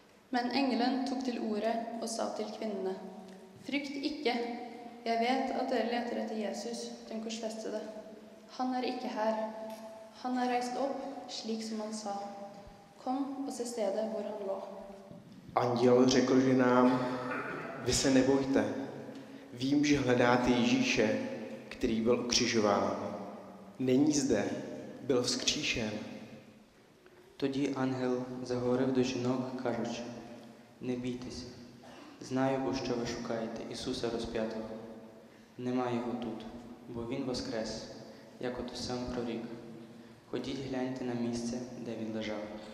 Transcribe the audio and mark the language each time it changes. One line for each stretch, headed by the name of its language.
Norwegian: Men engelen tok til ordet og sa til kvinnene: Frykt ikke, jeg vet at dere leter etter Jesus, den korsfestede. Han er ikke her. Han er reist opp, slik som han sa. Kom og se stedet hvor han lå.
Czech: Anděl řekl ženám: Vy se nebojte, vím, že hledáte Ježíše, který byl ukřižován. Není zde, byl vzkříšen.
Ukrainian: Тоді ангел заговорив до жінок, кажучи: Не бійтеся, знаю, бо що ви шукаєте Ісуса розп'ятого. Нема його тут, бо він воскрес, як ото сам прорік. Ходіть, гляньте на місце, де він лежав.